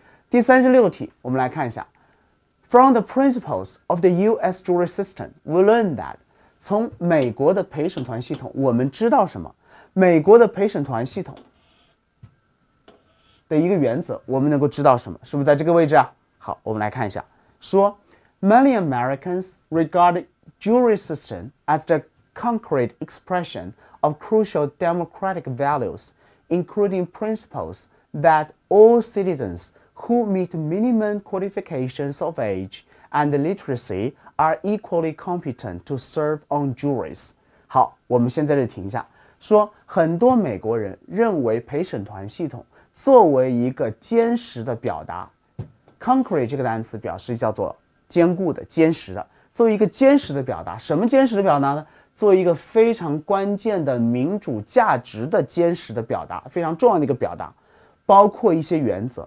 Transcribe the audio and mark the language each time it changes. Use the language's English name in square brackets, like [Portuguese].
[Chinese] 第36题，我们来看一下 [English] From the principles of the U.S. jury system we learn that [Chinese] 从美国的陪审团系统我们知道什么？美国的陪审团系统的一个原则，我们能够知道什么？是不是在这个位置啊？ [English] 好，我们来看一下，说 Many Americans regard jury system as the concrete expression of crucial democratic values, including principles that all citizens who meet minimum qualifications of age and literacy are equally competent to serve on juries. [Chinese] 好，我们现在就停一下，说很多美国人认为陪审团系统作为一个坚实的表达 ，concrete 这个单词表示叫做坚固的、坚实的。作为一个坚实的表达，什么坚实的表达呢？作为一个非常关键的民主价值的坚实的表达，非常重要的一个表达，包括一些原则。